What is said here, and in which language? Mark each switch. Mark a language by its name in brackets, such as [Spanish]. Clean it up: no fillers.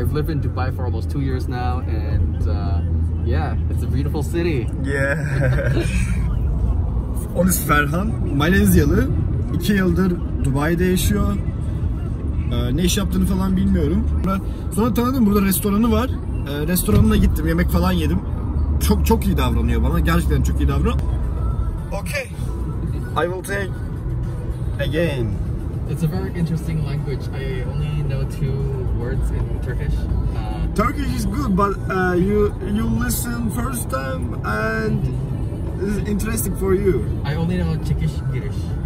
[English] I've lived in Dubai for almost 2 years now, and it's a beautiful city. Yeah. [Turkish] Onun ismi Farhan. Malezyalı. 2 yıldır Dubai'de yaşıyor. Ne iş yaptığını falan bilmiyorum. Sonra tanıdım. Burada restoranı var. Restoranına gittim. Yemek falan yedim. Çok çok iyi davranıyor bana. Gerçekten çok iyi davranıyor. [English] Okay. I will take again. It's a very interesting language. I only know 2 words in Turkish. Turkish is good, but you listen first time and it's interesting for you. I only know Turkish Girish.